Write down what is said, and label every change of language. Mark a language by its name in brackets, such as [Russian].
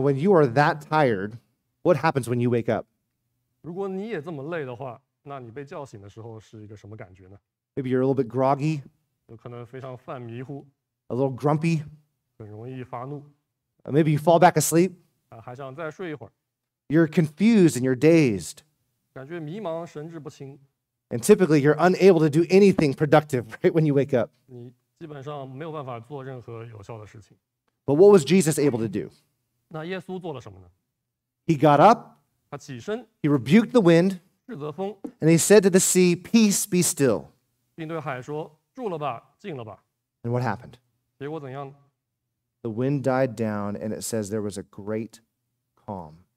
[English] when you are that tired, what happens when you wake up? [Chinese] 如果你也这么累的话， 那你被叫醒的时候是一个什么感觉呢？ [English] Maybe you're a little bit groggy. [Chinese] 有可能非常犯迷糊。 [English] A little grumpy. [Chinese] 很容易发怒。 [English] Maybe you fall back asleep. [Chinese] 还想再睡一会儿。 [English] You're confused and you're dazed. [Chinese] 感觉迷茫，神志不清。 [English] And typically you're unable to do anything productive right when you wake up. [Chinese] 你基本上没有办法做任何有效的事情。 [English] But what was Jesus able to do? [Chinese] 那耶稣做了什么呢？ [English] He got up. [Chinese] 他起身。 [English] He rebuked the wind. And he said to the sea, Peace, be still. [Chinese] 并对海说，住了吧，静了吧。 [English] And what happened? [Chinese] 结果怎样？ [English] The wind died down, and it says there was a great calm.